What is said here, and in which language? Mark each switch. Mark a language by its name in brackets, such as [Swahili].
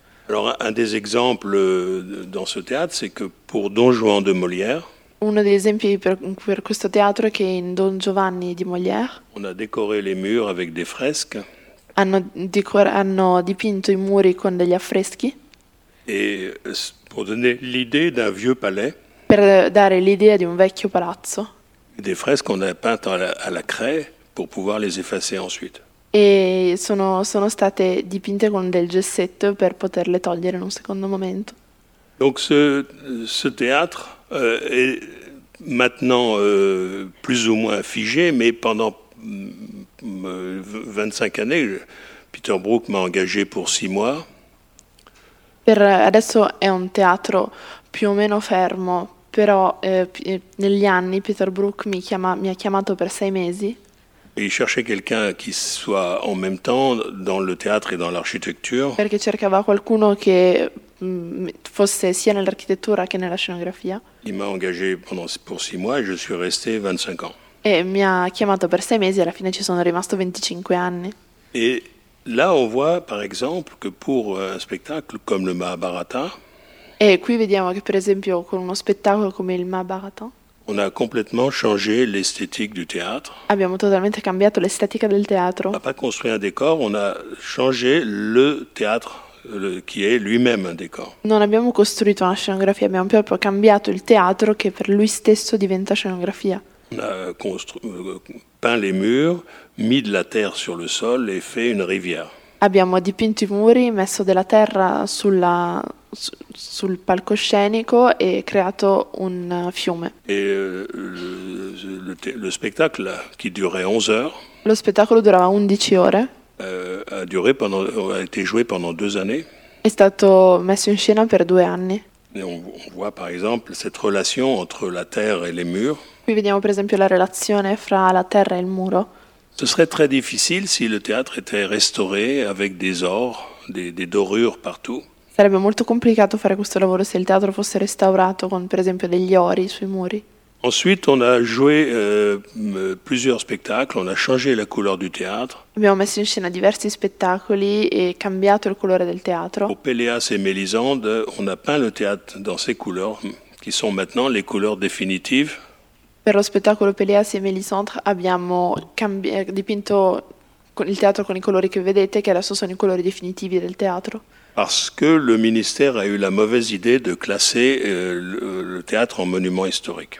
[French] Alors un des exemples dans ce théâtre, c'est que pour Don Juan de Molière. [Italian] Uno degli esempi per questo teatro è che in Don Giovanni di Molière. [French] On a décoré les murs avec des fresques. [Italian] Hanno dipinto i muri con degli affreschi. [French] Et pour donner l'idée d'un vieux palais. [Italian] Per dare l'idea di un vecchio palazzo. [French] Des fresques qu'on a peintes à la craie pour pouvoir les effacer ensuite. [Italian] E sono state dipinte con del gessetto per poterle togliere in un secondo momento. [French] Donc ce théâtre est maintenant plus ou moins figé, mais pendant 25 années, Peter Brook m'a engagé pour 6 mois. [Italian] Per adesso è un teatro più o meno fermo, però negli anni Peter Brook mi ha chiamato per 6 mesi. [French] Il cherchait quelqu'un qui soit en même temps dans le théâtre et dans l'architecture. [Italian] Perché cercava qualcuno che fosse sia nell'architettura che nella scenografia. [French] Il m'a engagé pour 6 mois et je suis resté 25 ans. [Italian] E mi ha chiamato per 6 mesi e alla fine ci sono rimasto 25 anni. [French] Et là on voit par exemple que pour un spectacle comme le Mahabharata. [Italian] E qui vediamo che per esempio con uno spettacolo come il Mahabharata. [French] On a complètement changé l'esthétique du théâtre. [Italian] Abbiamo totalmente cambiato l'estetica del teatro. [French] On n'a pas construit un décor, on a changé le théâtre qui est lui-même un décor. [Italian] Non abbiamo costruito una scenografia, abbiamo proprio cambiato il teatro che per lui stesso diventa scenografia. [French] On a peint les murs, mis de la terre sur le sol et fait une rivière. [Italian] Abbiamo dipinto i muri, messo della terra sul palcoscenico e creato un fiume. [French] Et le spectacle qui durait 11 heures. [Italian] Lo spettacolo durava 11 ore. [French] A été joué pendant 2 années. [Italian] È stato messo in scena per 2 anni. [French] Et on voit par exemple cette relation entre la terre et les murs. [Italian] Qui vediamo per esempio la relazione fra la terra e il muro. [French] Ce serait très difficile si le théâtre était restauré avec des ors, des dorures partout. [Italian] Sarebbe molto complicato fare questo lavoro se il teatro fosse restaurato con, per esempio, degli ori sui muri. [French] Ensuite, on a joué plusieurs spectacles, on a changé la couleur du théâtre. [Italian] Abbiamo messo in scena diversi spettacoli e cambiato il colore del teatro. [French] Pour Péléas et Mélisande, on a peint le théâtre dans ces couleurs, qui sont maintenant les couleurs définitives. [Italian] Per lo spettacolo Péléas et Mélisande abbiamo dipinto il teatro con i colori che vedete, che adesso sono i colori definitivi del teatro. [French] Parce que le ministère a eu la mauvaise idée de classer le théâtre en monument historique.